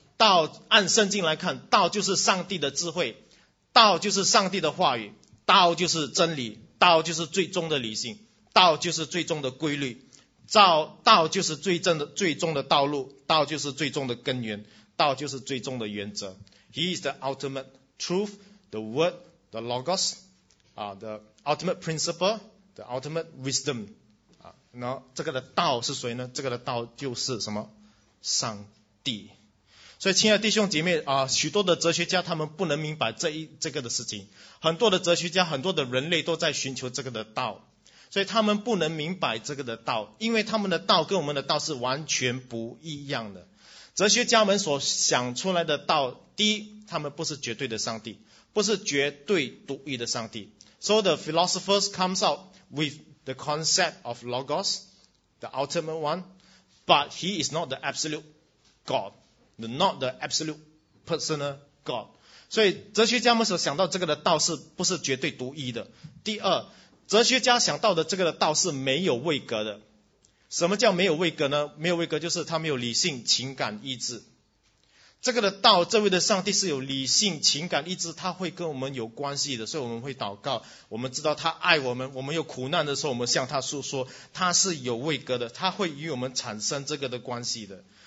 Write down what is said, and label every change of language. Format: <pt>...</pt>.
<zh>道按圣经来看，道就是上帝的智慧，道就是上帝的话语，道就是真理。道就是最终的理性，道就是最终的规律，道就是最终的道路，道就是最终的根源，道就是最终的原则。</zh> <en>He is the ultimate truth, the word, the logos, the ultimate principle, the ultimate wisdom.</en> <zh>那这个的道是谁呢？这个的道就是什么？上帝。所以亲爱的弟兄姐妹啊，许多的哲学家他们不能明白这个的事情，很多的哲学家，很多的人类都在寻求这个的道，所以他们不能明白这个的道，因为他们的道跟我们的道是完全不一样的。哲学家们所想出来的道，第一，他们不是绝对的上帝，不是绝对独一的上帝。</zh> <en>So the philosophers comes out with the concept of logos, the ultimate one, but he is not the absolute godNot the absolute personal God.</en> <zh>所以哲学家们所想到这个的道是不是绝对独一的？第二，哲学家想到的这个的道是没有位格的。什么叫没有位格呢？没有位格就是他没有理性、情感、意志。这个的道，这位的上帝是有理性、情感、意志，他会跟我们有关系的，所以我们会祷告，我们知道他爱我们，我们有苦难的时候，我们向他诉说，他是有位格的，他会与我们产生这个的关系的。</zh>